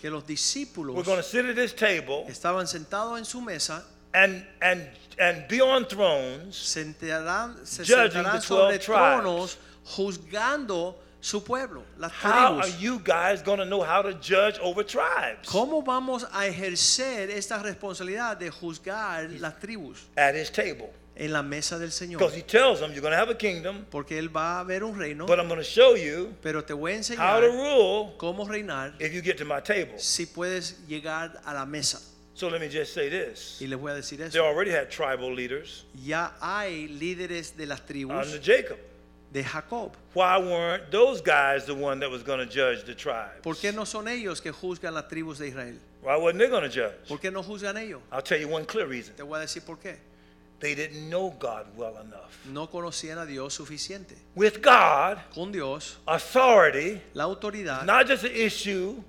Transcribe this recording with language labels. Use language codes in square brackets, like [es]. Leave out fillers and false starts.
[es] Que los discípulos. [en] Were going to sit at this table. [es] Estaban sentados en su mesa. [en] And be on thrones, [es] sentarán, se [en] judging the 12 tribes. [es] Juzgando su pueblo, las [en] how [es] tribus. [en] Are you guys going to know how to judge over tribes? [es] ¿Cómo vamos a ejercer esta responsabilidad de juzgar las tribus? [en] At his table. [es] En la mesa del Señor. [en] Because he tells them, you're going to have a kingdom. [es] Porque él va a haber un reino. [en] But I'm going to show you [es] pero te voy a enseñar [en] how to rule [es] cómo reinar [en] if you get to my table. [es] Si puedes llegar a la mesa. [en] So let me just say this. [es] Y les voy a decir eso. [en] They already had tribal leaders. [es] Ya hay líderes de las tribus. [en] Under Jacob. [es] De Jacob. [en] Why weren't those guys the one that was going to judge the tribes? [es] ¿Por qué no son ellos que juzgan las tribus de Israel? [en] Why weren't they going to judge? [es] ¿Por qué no juzgan ellos? [en] I'll tell you one clear reason. [es] Te voy a decir por qué. [en] They didn't know God well enough. [es] No conocían a Dios suficiente. [en] With God, [es] con Dios, [en] authority, [es] la autoridad, [en] not just an issue